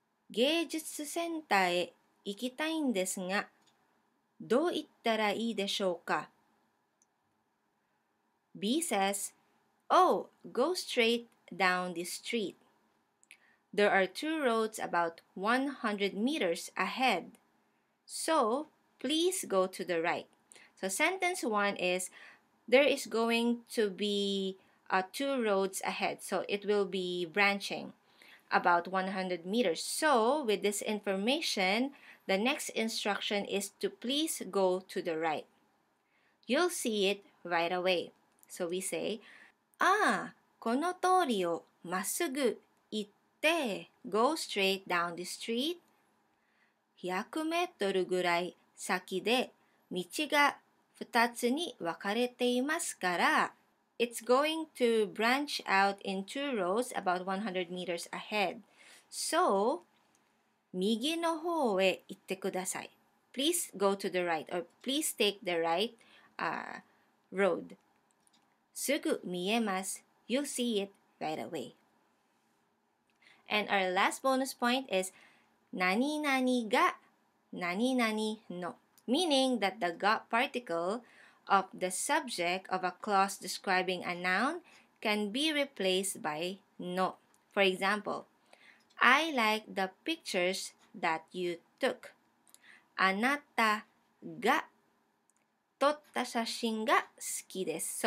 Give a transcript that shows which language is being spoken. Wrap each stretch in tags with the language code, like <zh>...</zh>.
<ja>芸術センターへ行きたいんですが、どう行ったらいいでしょうか?</ja> <en>B says, Oh, go straight down the street. There are two roads about 100 meters ahead. So, please go to the right. So, sentence one is, There is going to be two roads ahead. So, it will be branching about 100 meters. So, with this information, the next instruction is to please go to the right. You'll see it right away. So, we say,</en> <ja>Ah, この通りをまっすぐ行って、</ja> <en>go straight down the street.</en> <ja>100メートルぐらい先で道が二つに分かれていますから、</ja> <en>It's going to branch out in two rows about 100 meters ahead. So,</en> <ja>右の方へ行ってください。</ja> <en>Please go to the right or please take the right road.</en> <ja>すぐ見えます。</ja> <en>You'll see it right away. And our last bonus point is</en> <ja>何々が何々の。</ja> <en>Meaning that the が particle of the subject of a clause describing a noun can be replaced by の. For example, I like the pictures that you took.</en> <ja>あなたが撮った写真が好きです。</ja>